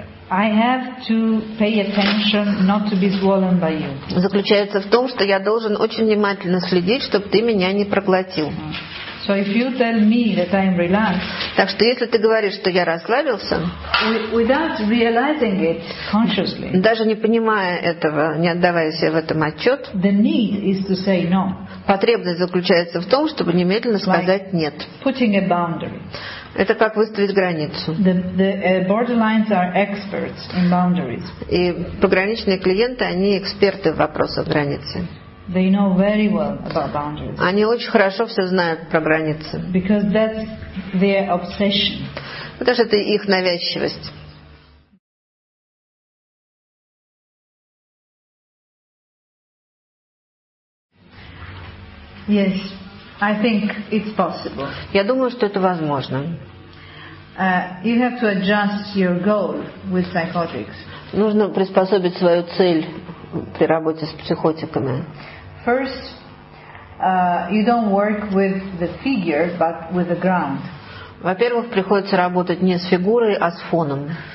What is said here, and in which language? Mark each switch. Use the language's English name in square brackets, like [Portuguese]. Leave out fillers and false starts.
[English] I have to pay attention not to be swollen by you. [Russian] Заключается в том, что я должен очень внимательно следить, чтобы ты меня не проглотил. [English] So if you tell me that I'm relaxed, [Russian] так что если ты говоришь, что я расслабился, [English] without realizing it consciously, [Russian] даже не понимая этого, не отдавая себе в этом отчет, [English] the need is to say no. [Russian] Потребность заключается в том, чтобы немедленно сказать [English] like [Russian] нет. [English] Putting a boundary. [Russian] Это как выставить границу. [English] The borderlines are experts in boundaries. [Russian] И пограничные клиенты, они эксперты в вопросах границы. [English] They know very well about boundaries. [Russian] Они очень хорошо все знают про границы. [English] Because that's their obsession. [Russian] Потому что это их навязчивость. [English] Yes, I think it's possible. [Russian] Я думаю, что это возможно. [English] You have to adjust your goal with psychotics. [Russian] Нужно приспособить свою цель при работе с психотиками. [English] First, you don't work with the figure, but with the ground. [Russian] Во-первых, приходится работать не с фигурой, а с фоном.